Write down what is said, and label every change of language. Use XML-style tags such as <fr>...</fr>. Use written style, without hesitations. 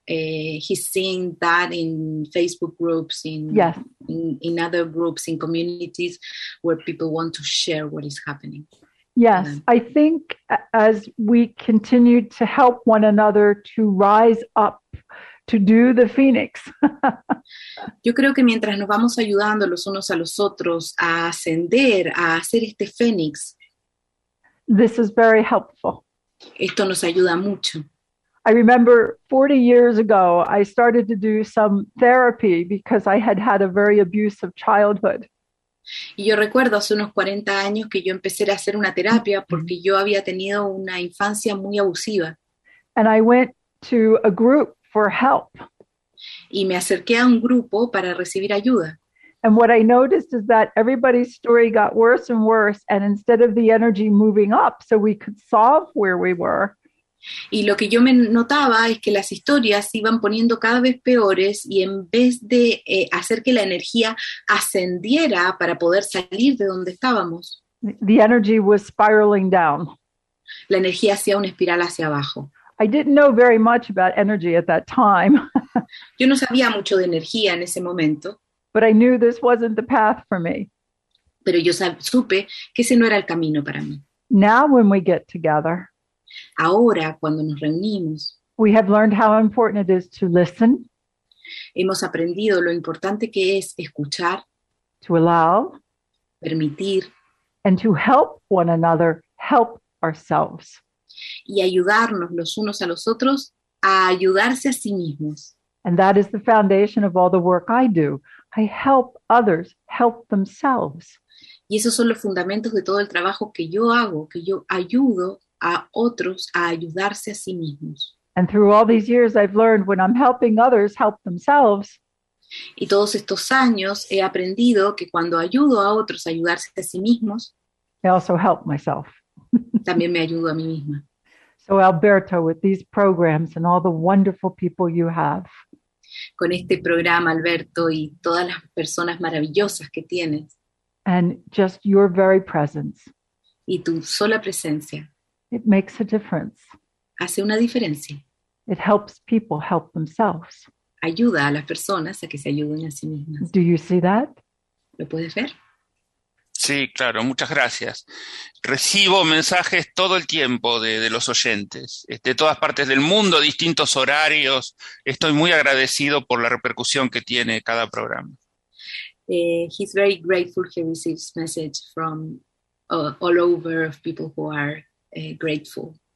<en>He's seeing that in Facebook groups, in other groups, in communities where people want to share what is happening. Yes, I think as we continue to help one another to rise up, to do the phoenix.</en> <es>Yo creo que mientras nos vamos ayudando los unos a los otros a ascender, a hacer este fénix.</es> <en>This is very helpful.</en> <es>Esto nos ayuda mucho.</es> <en>I remember 40 years ago, I started to do some therapy because I had had a very abusive childhood.</en> <es>Y yo recuerdo hace unos 40 años que yo empecé a hacer una terapia porque yo había tenido una infancia muy abusiva.</es> <en>And I went to a group for help.</en> <es>Y me acerqué a un grupo para recibir ayuda.</es> <en>And what I noticed is that everybody's story got worse and worse, and instead of the energy moving up so we could solve where we were.</en> <es>Y lo que yo me notaba es que las historias iban poniendo cada vez peores y en vez de hacer que la energía ascendiera para poder salir de donde estábamos,</es> <en>the energy was spiraling down.</en> <es>La energía hacía una espiral hacia abajo.</es> <en>I didn't know very much about energy at that time.</en> <es>Yo no sabía mucho de energía en ese momento.</es> <en>But I knew this wasn't the path for me.</en> <es>Pero yo supe que ese no era el camino para mí.</es> <en>Now when we get together,</en> <es>ahora, cuando nos reunimos,</es> <en>we have learned how important it is to listen.</en> <es>Hemos aprendido lo importante que es escuchar,</es> <en>to allow,</en> <es>permitir,</es> <en>and to help one another help ourselves.</en> <es>Y ayudarnos los unos a los otros a ayudarse a sí mismos.</es> <en>And that is the foundation of all the work I do. I help others help themselves.</en> <es>Y esos son los fundamentos de todo el trabajo que yo hago, que yo ayudo a otros a ayudarse a sí mismos.</es> <en>And through all these years I've learned when I'm helping others help themselves.</en> <es>Y todos estos años he aprendido que cuando ayudo a otros a ayudarse a sí mismos,</es> <en>I also help myself.</en> <es>También me ayudo a mí misma.</es> <en>So Alberto, with these programs and all the wonderful people you have.</en> <es>Con este programa, Alberto, y todas las personas maravillosas que tienes.</es> <en>And just your very presence.</en> <es>Y tu sola presencia.</es> <en>It makes a difference.</en> <es>Hace una diferencia.</es> <en>It helps people help themselves.</en> <es>Ayuda a las personas a que se ayuden a sí mismas.</es> <en>Do you see that?</en> <es>¿Lo puedes ver? Sí, claro, muchas gracias. Recibo mensajes todo el tiempo de los oyentes, de todas partes del mundo, distintos horarios. Estoy muy agradecido por la repercusión que tiene cada programa.</es> <en>He's very grateful he receives messages from all over of people who are grateful.</en>